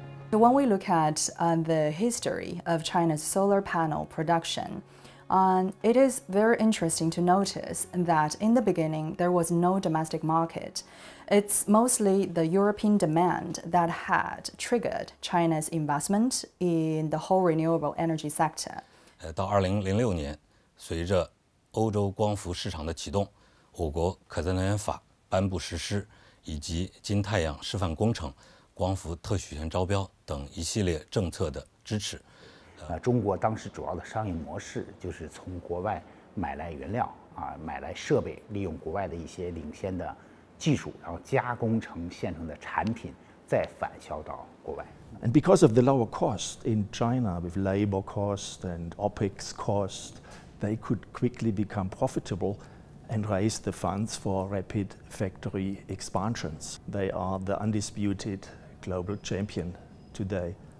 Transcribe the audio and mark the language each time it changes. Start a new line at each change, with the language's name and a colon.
English: When we look at the history of China's solar panel production, it is very interesting to notice that in the beginning there was no domestic market. It's mostly the European demand that had triggered China's investment in the whole renewable energy sector.
Chinese: 到2006年，随着欧洲光伏市场的启动，我国可再生能源法颁布实施，以及金太阳示范工程、光伏特许权招标等一系列政策的支持。中国当时主要的商业模式就是从国外买来原料啊，买来设备，利用国外的一些领先的技术，然后加工成现成的产品，再返销到国外。
English: And because of the lower cost in China, with labor cost and OPEX cost, they could quickly become profitable and raise the funds for rapid factory expansions. They are the undisputed global champion today.